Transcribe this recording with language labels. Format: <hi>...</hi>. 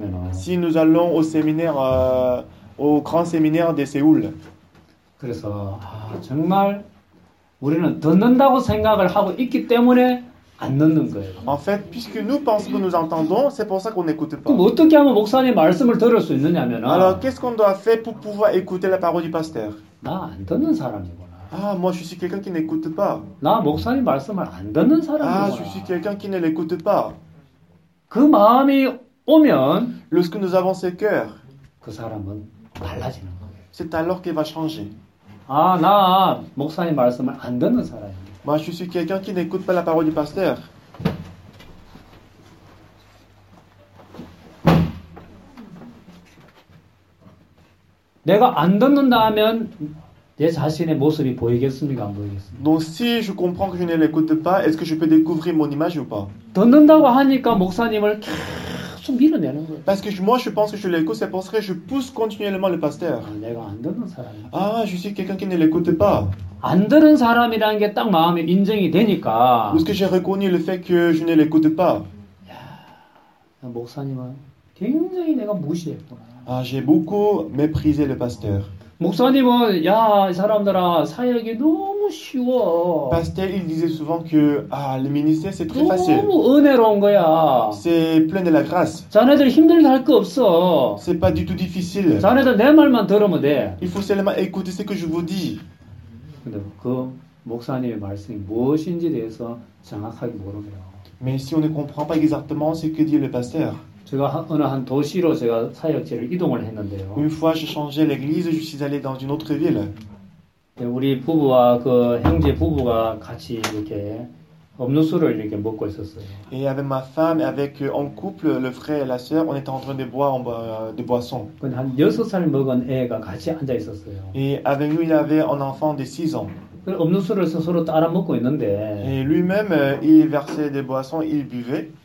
<fr>Si nous allons au séminaire, au grand séminaire de Séoul.</fr> <ko>그래서 정말 우리는 듣는다고 생각을 하고 있기 때문에 안 듣는 거예요.</ko> <fr>En fait, puisque nous pensons que nous entendons, c'est pour ça qu'on n'écoute pas.</fr> <ko>그럼 어떻게 하면 목사님 말씀을 들을 수 있느냐면</ko> <fr>Alors, qu'est-ce qu'on doit faire pour pouvoir écouter la parole du pasteur?</fr> <ko>나 안 듣는 사람이구나.</ko> <fr>Ah, moi je suis quelqu'un qui n'écoute pas.</fr> <ko>나 목사님 말씀을 안 듣는 사람이구나.</ko> <fr>Ah, je suis quelqu'un qui ne l'écoute pas.</fr> <ko>그 마음이 오면</ko> <fr>lorsque nous avons ce cœur</fr> <ko>그 사람은 달라지는 거예요.</ko> <fr>C'est alors qu'il va changer.</fr> <ko>아, 나 목사님 말씀을 안 듣는 사람이에요.</ko> <fr>Moi je suis quelqu'un qui n'écoute pas la parole du pasteur.</fr> <ko>내가 안 듣는다 하면 내 자신의 모습이 보이겠습니까? 안 보이겠습니까?</ko> <fr>Donc si je comprends que je ne l'écoute pas, est-ce que je peux découvrir mon image ou pas?</fr> <ko>듣는다고 하니까 목사님을 계속 밀어내는 거예요.</ko> <fr>Parce que moi je pense que je l'écoute, c'est parce que je pousse continuellement le pasteur.</fr> <ko>아, 내가 안 듣는 사람.</ko> <fr>Ah, je suis quelqu'un qui ne l'écoute pas.</fr> <ko>안 들은 사람이라는 게 딱 마음에 인정이 되니까.</ko> <fr>Lorsque j'ai reconnu le fait que je ne l'écoute pas.</fr> <ko>야, 목사님은 굉장히 내가 무시했구나.</ko> <fr>Ah, j'ai beaucoup méprisé le pasteur.</fr> <ko>목사님은 야, 이 사람들아 사역이 너무 쉬워.</ko> <fr>Pasteur, il disait souvent que ah, le ministère c'est très facile.</fr> <ko>너무 은혜로운 거야.</ko> <fr>C'est plein de la grâce.</fr> <ko>자네들 힘들게 할 거 없어.</ko> <fr>C'est pas du tout difficile.</fr> <ko>자네들 내 말만 들으면 돼.</ko> <fr>Il faut seulement écouter ce que je vous dis.</fr> <ko>근데 그 목사님의 말씀이 무엇인지 대해서 정확하게 모르네요.</ko> <fr>Mais si on ne comprend pas exactement ce que dit le pasteur.</fr> <ko>제가 어느 한 도시로 제가 사역지를 이동을 했는데요.</ko> <fr>Une fois, j'ai changé l'église, je suis allé dans une autre ville.</fr> <ko>네, 우리 부부와 그 형제 부부가 같이 이렇게 음료수를 이렇게 먹고 있었어요.</ko> <fr>Et avec ma femme et avec en couple le frère et la sœur, on était en train de boire des boissons.</fr> <ko>근데 한 여섯 살 먹은 애가 같이 앉아 있었어요.</ko> <fr>Et avec nous, il y avait un enfant de 6 ans.</fr> <ko>그 음료수를 서로 따라 먹고 있는데.</ko> <fr>Et lui-même, il versait des boissons, il buvait.</fr>